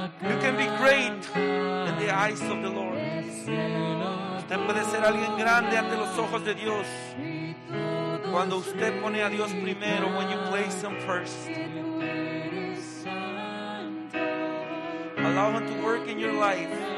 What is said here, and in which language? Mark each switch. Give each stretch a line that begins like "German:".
English: You can be great in the eyes of the Lord.
Spanish: Usted puede ser alguien grande ante los ojos de Dios. Cuando usted pone a Dios primero,
English: when you place him first, allow him to work in your life.